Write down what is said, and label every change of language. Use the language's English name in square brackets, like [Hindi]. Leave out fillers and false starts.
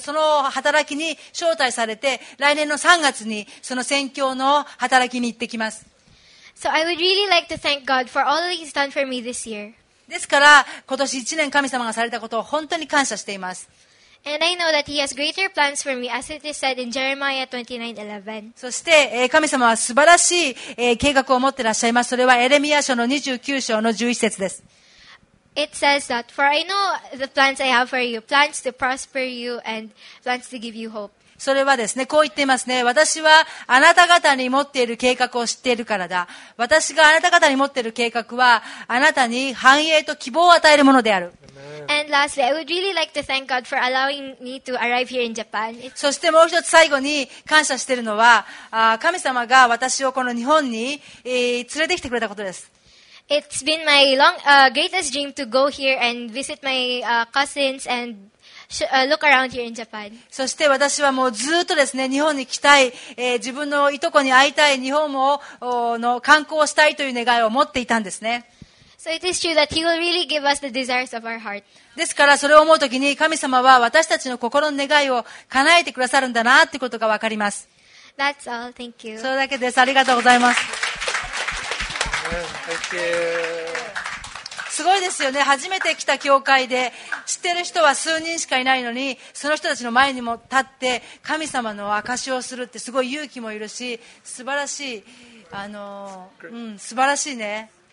[Japanese] その働きに招待されて来年の3月にその宣教の働きに行ってきます。 [English] So I would really like to thank God for all that He's done for me this year. [Japanese] ですから今年1年神様がされたことを本当に感謝しています。 [English] And I know that He has greater plans for me, as it is said in Jeremiah 29:11. [Japanese] そして神様は素晴らしい計画を持っていらっしゃいます。それはエレミヤ書の29章の11節です。 [English] it says that, for I know the plans I have for you, plans to prosper you and plans to give you hope. [Japanese] それはですね、こう言ってますね。私はあなた方に持っている計画を知っているからだ。私があなた方に持っている計画は、あなたに繁栄と希望を与えるものである。 [English] And lastly, I would really like to thank God for allowing me to arrive here in Japan. [Japanese] そしてもう一つ最後に感謝しているのは、神様が私をこの日本に、連れてきてくれたことです。 [English] It's been my long, greatest dream to go here and visit my, cousins and look around here in Japan. [Japanese] そして私はもうずっとですね、日本に来たい、自分のいとこに会いたい、日本をの観光をしたいという願いを持っていたんですね。 [English] So it is true that He will really give us the desires of our heart. [Japanese] ですからそれを思うときに神様は私たちの心の願いを叶えてくださるんだなってことがわかります。 [English] That's all. Thank you. [Japanese] それだけです。ありがとうございます。 [English] Thank you. [Japanese] すごいですよね。初めて来た教会で知ってる人は数人しかいないのに、その人たちの前にも立って神様の証しをするってすごい勇気もいるし、素晴らしい、素晴らしいね。